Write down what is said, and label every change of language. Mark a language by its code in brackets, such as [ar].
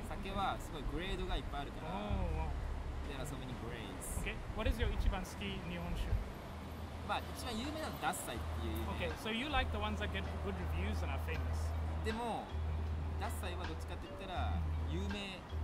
[ja] 酒はすごいグレードがいっぱいあるから。 [en] Oh, wow. There are so many grades. Okay. What is your [ja] 一番好き日本酒? まあ、一番有名なのはダッサイっていう有名。 [en] Okay. So you like the ones that get good reviews and are famous. [ja] でも、ダッサイはどっちかって言ったら有名。